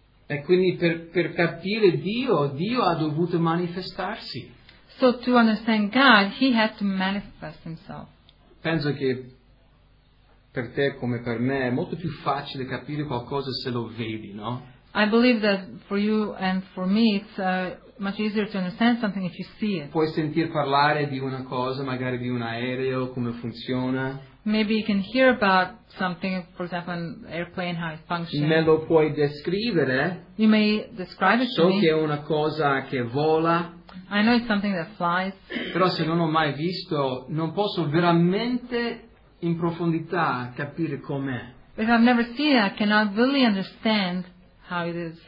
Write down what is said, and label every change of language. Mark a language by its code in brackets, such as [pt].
[it] E quindi per capire Dio, Dio ha dovuto manifestarsi. [en] So to understand God, he had to manifest himself. [it] Penso che per te come per me è molto più facile capire qualcosa se lo vedi, no? [en] I believe that for you and for me it's much easier to understand something if you see it. [it] Puoi sentir parlare di una cosa, magari di un aereo, come funziona. [en] Maybe you can hear about something, for example, an airplane, how it functions. [it] Me lo puoi descrivere. [en] You may describe it so to me. [it] So che è una cosa che vola. [en] I know it's something that flies. [it] Però se non ho mai visto, non posso veramente in profondità capire com'è. [en] If I've never seen it, I cannot really understand how it is.